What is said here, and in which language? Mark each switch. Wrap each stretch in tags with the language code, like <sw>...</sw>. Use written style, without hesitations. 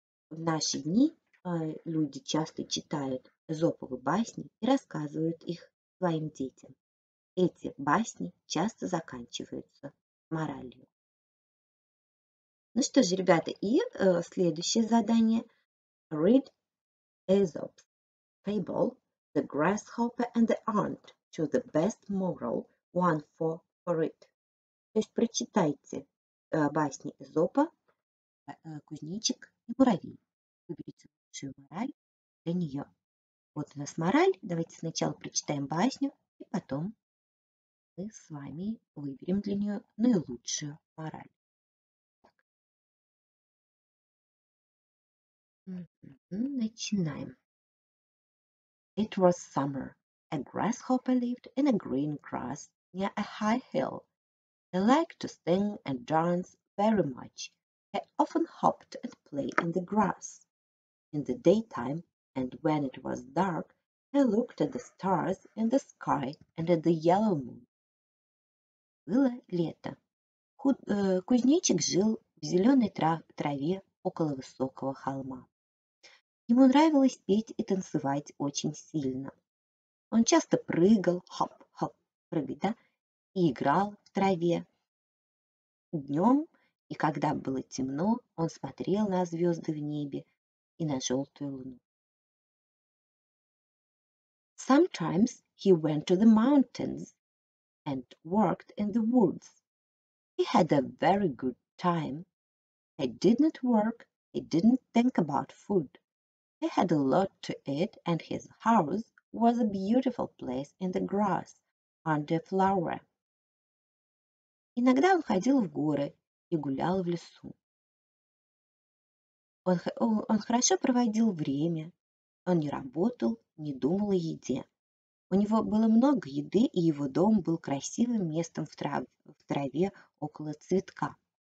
<ru>В наши дни люди часто читают Эзоповы басни и рассказывают их своим детям. Эти басни часто заканчиваются моралью. Ну что же, ребята, и следующее задание.</ru> <en>Read Aesop's Fable, The Grasshopper and the Ant. To the best moral, one for it.</en> <ru>То есть прочитайте басни Эзопа, кузнечик и муравей. Выберите лучшую мораль для нее. Вот у нас мораль. Давайте сначала прочитаем басню, и потом мы с вами выберем для нее наилучшую мораль. Так. Начинаем.</ru> <en>It was summer. A grasshopper lived in a green grass near a high hill. He liked to sing and dance very much. He often hopped and played in the grass. In the daytime, and when it was dark, he looked at the stars in the sky and at the yellow moon.</en> <ru>Было лето. Кузнечик жил в зеленой траве около высокого холма. Ему нравилось петь и танцевать очень сильно. Он часто прыгал, хоп-хоп, прыгать, да, и играл в траве. Днем, и когда было темно, он смотрел на звезды в небе и на желтую луну.</ru> <en>Sometimes he went to the mountains and worked in the woods. He had a very good time. He didn't work, he didn't think about food. He had a lot to eat and his house was a beautiful place in the grass, under flower.</en> <ru>Иногда он ходил в горы и гулял в лесу. Он хорошо проводил время. Он не работал, не думал о еде. У него было много еды, и его дом был красивым местом в траве около цветка.</ru>